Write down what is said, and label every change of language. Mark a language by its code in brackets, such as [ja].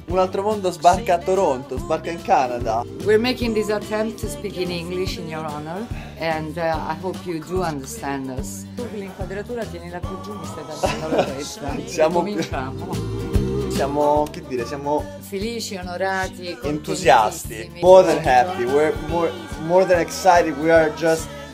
[it] Un altro mondo sbarca a Toronto, sbarca in Canada! [en] We're making this attempt to speak in English in your honor and I hope you do understand us. [it] Tu l'inquadratura tieni la più giù, mi stai dando la testa! Siamo cominciamo! Siamo, che dire, siamo felici, onorati, entusiasti, [en] more than happy, we're more than excited, we are just